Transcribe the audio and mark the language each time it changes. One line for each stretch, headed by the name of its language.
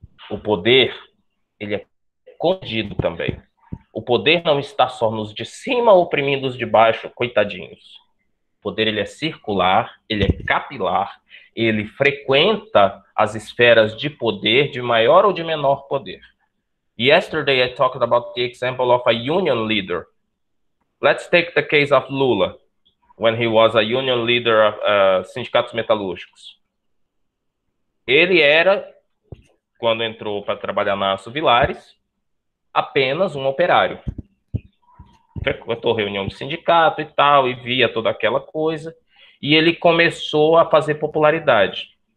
Portuguese: O poder, ele é concedido também. O poder não está só nos de cima oprimindo os de baixo, coitadinhos. O poder, ele é circular, ele é capilar, ele frequenta as esferas de poder, de maior ou de menor poder.
English: Yesterday I talked about the example of a union leader. Let's take the case of Lula, when he was a union leader of
Portuguese: sindicatos metalúrgicos. Ele era, quando entrou para trabalhar na Aço Vilares, apenas um operário. Frequentou reunião de sindicato e tal, e via toda aquela coisa, e ele começou a fazer popularidade.